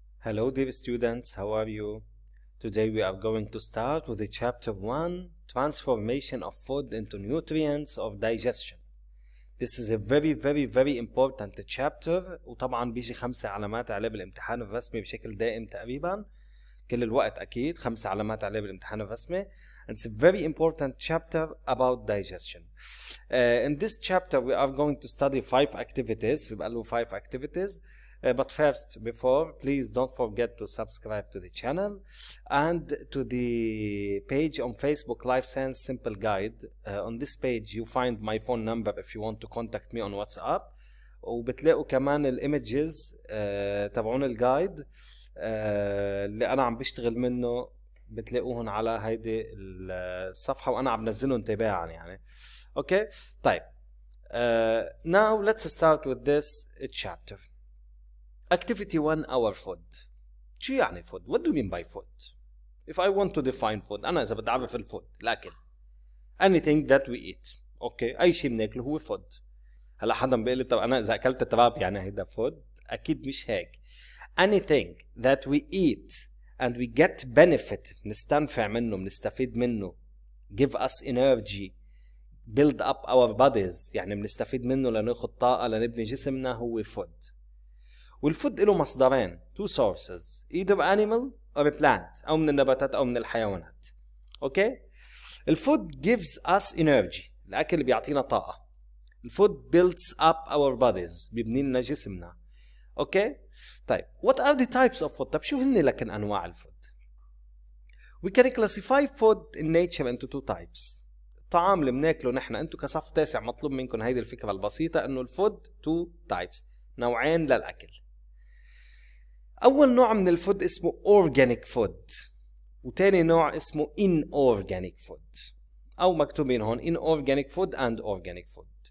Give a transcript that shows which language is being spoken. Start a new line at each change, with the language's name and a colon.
English: Hello dear students, how are you? Today we are going to start with the chapter 1, transformation of food into nutrients of digestion. This is a very important chapter,
Arabic: وطبعا بيجي 5 علامات عليه بالامتحان الرسمي بشكل دائم تقريبا كل الوقت اكيد 5 علامات عليه بالامتحان الرسمي.
English: And it's a very important chapter about digestion. In this chapter we are going to study 5 activities,
Arabic: بيبقى له
English: 5 activities. But first, before, please don't forget to subscribe to the channel and to the page on Facebook, Life Science Simple Guide. On this page, you find my phone number if you want to contact me on WhatsApp.
Arabic: وبتلاقوا كمان الايمجز تبعون الجايد اللي انا عم بشتغل منه بتلاقوهم على هيدي الصفحه وانا عم بنزلهم تباعا يعني. Okay, طيب.
English: Now let's start with this chapter. Activity 1, our food.
Arabic: شو يعني food?
English: What do you mean by food? If I want to define food,
Arabic: أنا إذا بدي أعرف الفود, لكن
English: anything that we eat.
Arabic: Okay, أي شيء بناكله هو food. هلا حدا بيقول لي طب أنا إذا أكلت تراب يعني هيدا food؟ أكيد مش هيك.
English: Anything that we eat and we get benefit,
Arabic: بنستنفع منه, بنستفيد منه,
English: give us energy, build up our bodies,
Arabic: يعني بنستفيد منه لناخد طاقة لنبني جسمنا هو
English: food.
Arabic: والفود له مصدرين
English: two sources either animal or a plant
Arabic: أو من النباتات أو من الحيوانات. Okay, الفود
English: gives us energy,
Arabic: الأكل بيعطينا طاقة. الفود
English: builds up our bodies,
Arabic: بيبني لنا جسمنا.
English: Okay, طيب what are the types of food؟
Arabic: طب شو هن لكن أنواع الفود؟
English: We can classify food in nature into two types.
Arabic: الطعام اللي بناكله نحن أنتو كصف تاسع مطلوب منكم هيدي الفكرة البسيطة إنه الفود
English: two types,
Arabic: نوعين للأكل. أول نوع من الفود اسمه organic food وتاني نوع اسمه inorganic food أو مكتوبين هون
English: inorganic food and organic food.